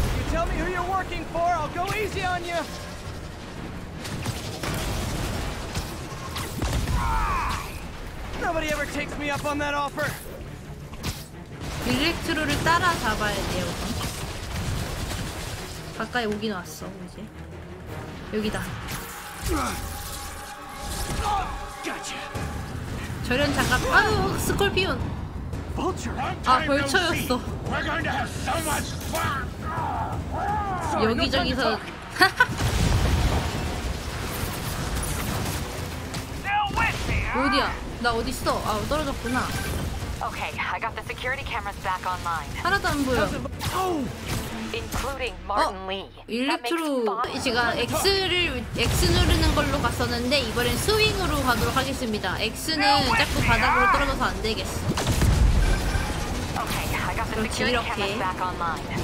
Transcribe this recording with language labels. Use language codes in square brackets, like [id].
[en] Tell me who you're working for, I'll go easy on you! Nobody ever takes me up on that offer! [ko] 일렉트로를 따라잡아야 돼요. 가까이 오긴 왔어, 이제. 여기다. [en] Gotcha. [ko] 절연 장갑, 아유, 스콜피온! 아, 벌처였어. 여기저기서 어디야? 나 어디 있어? 아, 떨어졌구나. [en] Okay, I got the security cameras back online. [ko] 하나도 안 보여. [en] Including Martin Lee. [ko] 일렉트로 제가 X를 X 누르는 걸로 갔었는데 이번엔 스윙으로 가도록 하겠습니다. X는 자꾸 바닥으로 떨어져서 안 되겠어. [en] Okay, I got the security cameras back online.